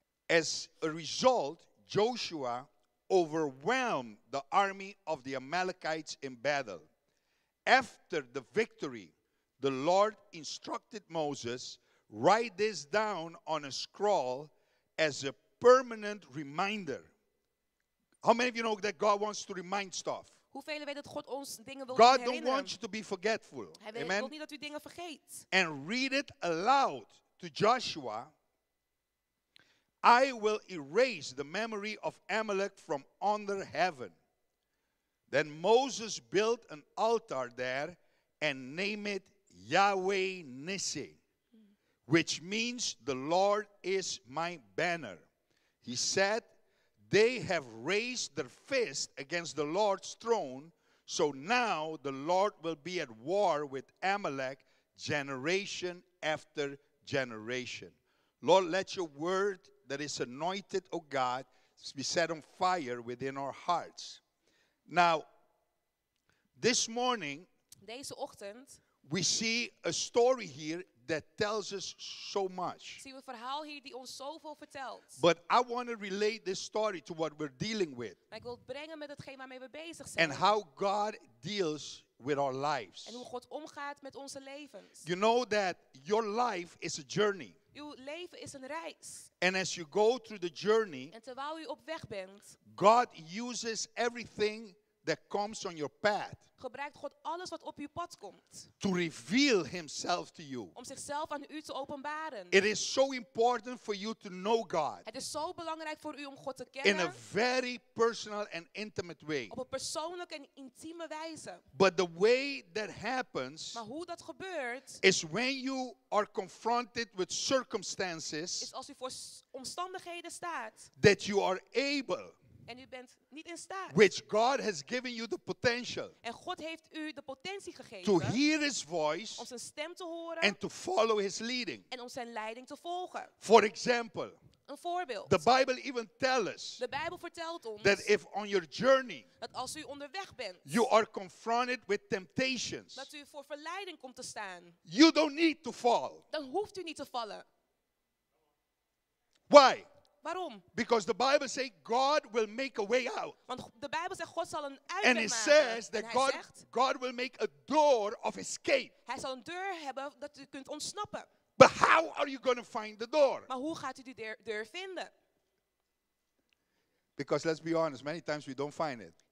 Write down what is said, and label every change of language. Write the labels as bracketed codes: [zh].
[en] As a result, Joshua overwhelmed the army of the Amalekites in battle. After the victory, the Lord instructed Moses, write this down on a scroll as a permanent reminder. How many of you know that God wants to remind stuff? [nl] Hoeveel weten dat God ons dingen wil herinneren? [en] God don't want you to be forgetful. [nl] Hij wil niet dat u dingen vergeet. [en] And read it aloud to Joshua. I will erase the memory of Amalek from under heaven. Then Moses built an altar there and named it Yahweh Nissi, which means the Lord is my banner. He said, they have raised their fist against the Lord's throne, so now the Lord will be at war with Amalek generation after generation. Lord, let your word that is anointed, O God, be set on fire within our hearts. Now, this morning, [nl] deze ochtend, [en] we see a story here that tells us so much. [nl] Zie een verhaal hier die ons zoveel vertelt. [en] But I want to relate this story to what we're dealing with. [nl] Maar ik wil brengen met hetgeen waarmee we bezig zijn. [en] And how God deals with our lives. [nl] En hoe God omgaat met onze levens. [en] You know that your life is a journey. [nl] Uw leven is een reis. [en] And as you go through the journey, [nl] en terwijl u op weg bent, [en] God uses everything that comes on your path. [nl] Gebruikt God alles wat op uw pad komt. [en] To reveal himself to you. [nl] Om zichzelf aan u te openbaren. [en] It is so important for you to know God. [nl] Het is zo belangrijk voor u om God te kennen. [en] In a very personal and intimate way. [nl] Op een persoonlijke en intieme wijze. [en] But the way that happens. [nl] Maar hoe dat gebeurt. [en] Is when you are confronted with circumstances. [nl] Is als u voor omstandigheden staat. [en] That you are able. [nl] En u bent niet in staat. [en] Which God has given you the potential. [nl] En God heeft u de potentie gegeven. [en] To hear his voice. [nl] Om zijn stem te horen. [en] And to follow his leading. [nl] En om zijn leiding te volgen. [en] For example. [nl] Een voorbeeld. [en] The Bible even tells us. [nl] De Bijbel vertelt ons. [en] That if on your journey. [nl] Dat als u onderweg bent. [en] You are confronted with temptations. [nl] Dat u voor verleiding komt te staan. [en] You don't need to fall. [nl] Dan hoeft u niet te vallen. [en] Why? [nl] Waarom? [en] Because the Bible says God will make a way out. [nl] Want de Bijbel zegt God zal een uitweg maken. [en] And it says that God will make a door of escape. [nl] Hij zal een deur hebben dat u kunt ontsnappen. [en] But how are you going to find the door? [nl] Maar hoe gaat u die deur vinden? [en] Because let's be honest, many times we don't find it.